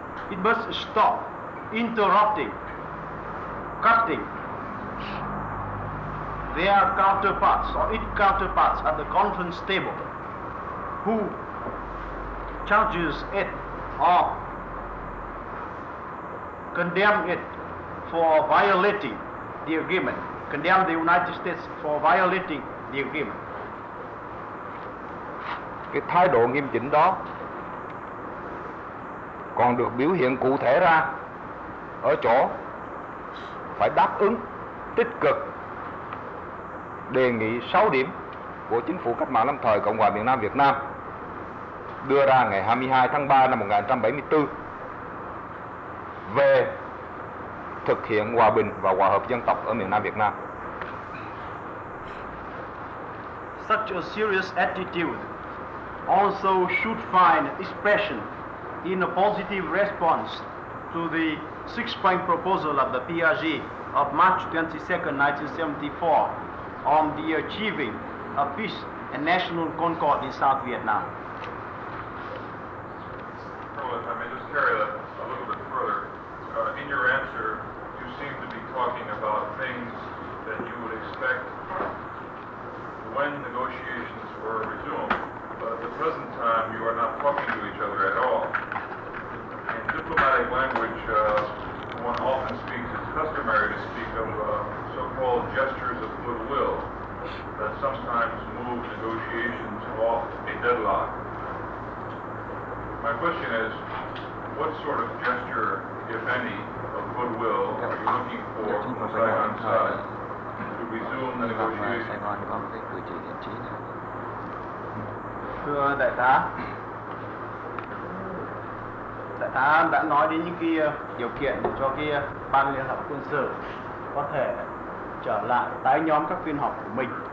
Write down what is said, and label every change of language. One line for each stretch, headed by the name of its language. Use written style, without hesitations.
English: It must stop interrupting, cutting their counterparts or its counterparts at the conference table who charges it or condemn it for violating the agreement, condemn the United States for violating the agreement.
Vietnamese: Cái thái độ nghiêm chỉnh đó còn được biểu hiện cụ thể ra ở chỗ phải đáp ứng tích cực đề nghị 6 điểm của chính phủ cách mạng lâm thời Cộng hòa miền Nam Việt Nam đưa ra ngày 22 tháng 3 năm 1974 về thực hiện hòa bình và hòa hợp dân tộc ở miền Nam Việt Nam.
English: Such a serious attitude also should find expression in a positive response to the six-point proposal of the PRG of March 22, 1974 on the achieving of peace and national concord in South Vietnam. If I may just carry that a little bit further. In your answer, you seem to be talking about things that you would expect when negotiations were resumed. But at the present time, you are not talking to each other at all. In diplomatic language, one often speaks, it's customary to speak of so-called gestures of goodwill that sometimes move negotiations off a deadlock. My question is, what sort of gesture, if any, of goodwill are you looking for from the Saigon side to
Vietnamese: Sài Gòn có cái cử chỉ thiện chí nào. Thưa đại tá, đại tá đã nói đến những cái điều kiện để cho cái ban liên lạc quân sự có thể trở lại tái nhóm các phiên họp của mình.